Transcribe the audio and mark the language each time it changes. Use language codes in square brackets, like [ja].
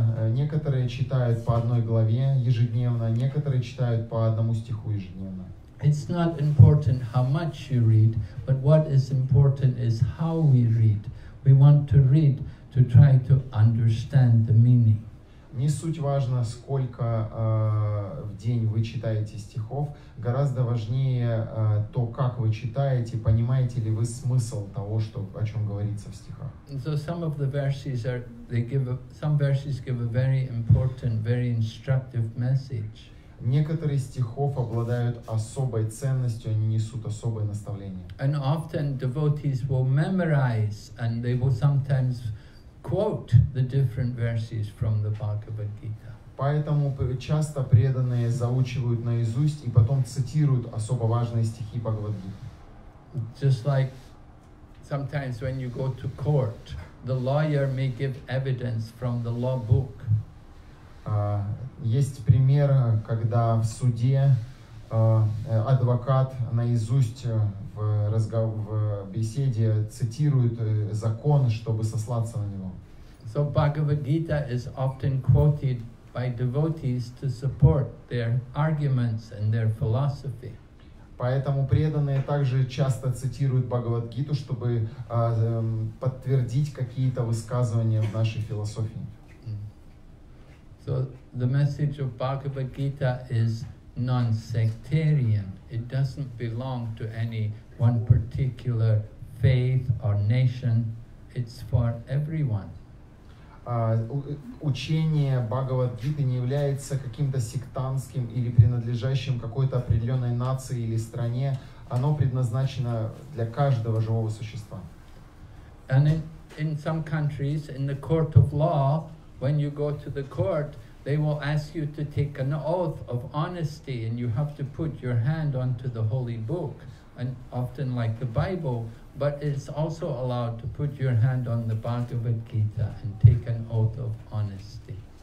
[ru] Некоторые читают по одной главе ежедневно, некоторые читают по одному стиху ежедневно. [en] It's not important how much you read, but what is important is how we read. We want to read to try to understand the meaning. [ru] Не суть важно, сколько в день вы читаете стихов, гораздо важнее то, как вы читаете, понимаете ли вы смысл того, что о чем говорится в стихах. [en] So some of the verses are some verses give a very important, very instructive message. [ru] Некоторые стихов обладают особой ценностью, они несут особое наставление. [en] And often devotees will memorize and they will sometimes quote the different verses from the Bhagavad Gita. [ru] Поэтому часто преданные заучивают наизусть и потом цитируют особо важные стихи Бхагавад Гиты. [en] Just like sometimes when you go to court, the lawyer may give evidence from the law book. [ru] Есть пример, когда в суде адвокат наизусть в беседе цитирует закон, чтобы сослаться на него. [en] So Bhagavad-gita is often quoted by devotees to support their arguments and their philosophy. [ru] Поэтому преданные также часто цитируют Бхагавад-гиту, чтобы подтвердить какие-то высказывания в нашей философии. [en] So the message of Bhagavad Gita is non-sectarian. It doesn't belong to any one particular faith or nation. It's for everyone. [ru] Учение Бхагавад Гиты не является каким-то сектантским или принадлежащим какой-то определенной нации или стране. Оно предназначено для каждого живого существа. [en] And in some countries, in the court of law, when you go to the court, they will ask you to take an oath of honesty, and you have to put your hand onto the holy book, and often like the Bible, but it's also allowed to put your hand on the Bhagavad Gita and take an oath of honesty.